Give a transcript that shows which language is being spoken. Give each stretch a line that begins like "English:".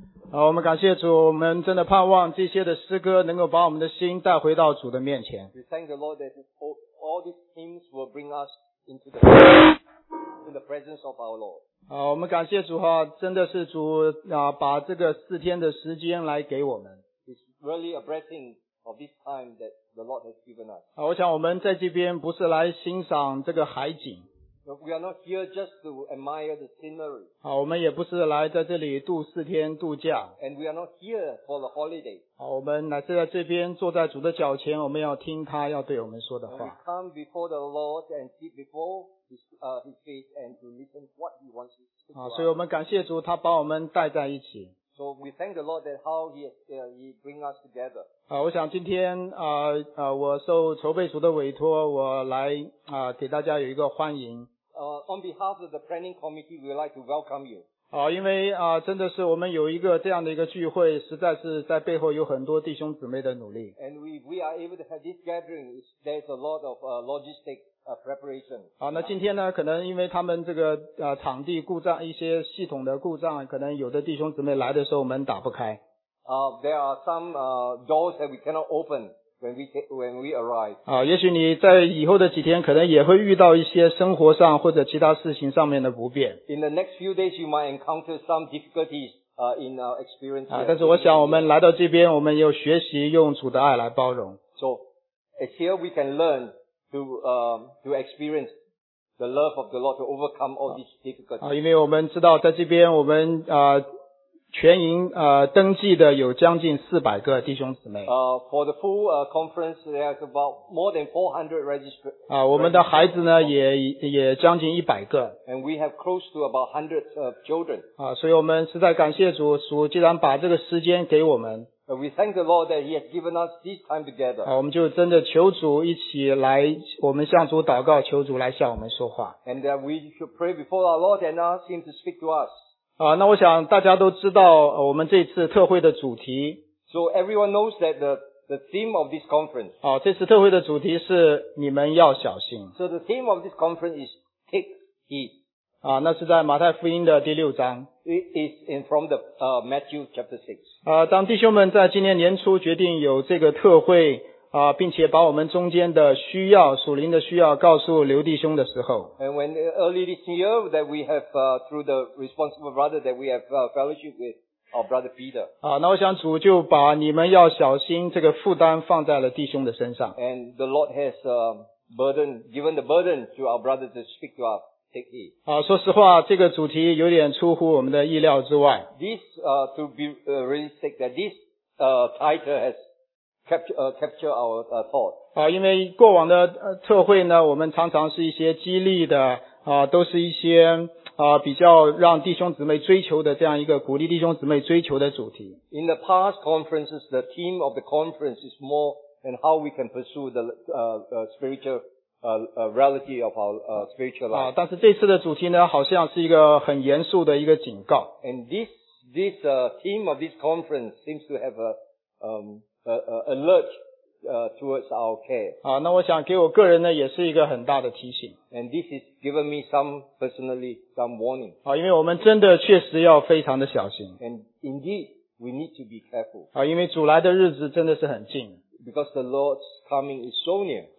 Chinese: 好，我们感谢主，我们真的盼望这些的诗歌能够把我们的心带回到主的面前。
English: We thank the Lord that all these hymns will bring us into the presence of our Lord.
Chinese: 好，我们感谢主哈，真的是主啊，把这个四天的时间来给我们。
English: It's really a blessing of this time that the Lord has given us.
Chinese: 好，我想我们在这边不是来欣赏这个海景。
English: We are not here just to admire the scenery.
Chinese: 好，我们也不是来在这里度四天度假。
English: And we are not here for the holiday.
Chinese: 好，我们乃是在这边坐在主的脚前，我们要听他要对我们说的话。
English: And we come before the Lord and sit before his face and to listen what he wants to say.
Chinese: 好，所以我们感谢主，他把我们带在一起。
English: So we thank the Lord that how he bring us together.
Chinese: 好，我想今天我受筹备组的委托，我来给大家有一个欢迎。
English: On behalf of the planning committee, we would like to welcome you.
Chinese: 好，因为真的是我们有一个这样的一个聚会，实在是在背后有很多弟兄姊妹的努力。
English: And we are able to have this gathering. There's a lot of logistic preparation.
Chinese: 好，那今天呢，可能因为他们这个场地故障，一些系统的故障，可能有的弟兄姊妹来的时候门打不开。
English: There are some doors that we cannot open. When we arrive.
Chinese: 好，也许你在以后的几天可能也会遇到一些生活上或者其他事情上面的不便。
English: In the next few days, you might encounter some difficulties, in our experience.
Chinese: 但是我想我们来到这边，我们有学习用主的爱来包容。
English: So, it's here we can learn to experience the love of the Lord to overcome all these difficulties.
Chinese: 因为我们知道在这边我们全营登记的有将近400个弟兄姊妹。
English: For the full conference, there's about more than 400 registered.
Chinese: 我们的孩子呢也将近100个。
English: And we have close to about 100 of children.
Chinese: 所以我们实在感谢主，主既然把这个时间给我们。
English: We thank the Lord that He has given us this time together.
Chinese: 我们就真的求主一起来，我们向主祷告，求主来向我们说话。
English: And that we should pray before our Lord and ask Him to speak to us.
Chinese: 那我想大家都知道我们这次特会的主题。
English: So everyone knows that the theme of this conference.
Chinese: 这次特会的主题是你们要小心。
English: So the theme of this conference is take heed.
Chinese: 那是在马太福音的第六章。
English: It is in from the Matthew chapter 6.
Chinese: 当弟兄们在今年年初决定有这个特会并且把我们中间的需要属灵的需要告诉刘弟兄的时候。
English: And when early this year that we have through the responsible brother that we have fellowship with our brother Peter.
Chinese: 那我想主就把你们要小心这个负担放在了弟兄的身上。
English: And the Lord has burden, given the burden to our brothers to speak to us. Take heed.
Chinese: 说实话，这个主题有点出乎我们的意料之外。
English: This, to be realistic, that this, title has capture our thought.
Chinese: 因为过往的特会呢，我们常常是一些激励的，都是一些比较让弟兄姊妹追求的这样一个鼓励弟兄姊妹追求的主题。
English: In the past conferences, the theme of the conference is more than how we can pursue the spiritual reality of our spiritual life.
Chinese: 但是这次的主题呢，好像是一个很严肃的一个警告。
English: And this theme of this conference seems to have alert towards our care.
Chinese: 那我想给我个人呢也是一个很大的提醒。
English: And this has given me some personally some warning.
Chinese: 因为我们真的确实要非常的小心。
English: And indeed, we need to be careful.
Chinese: 因为主来的日子真的是很近。
English: Because the Lord's coming is so near.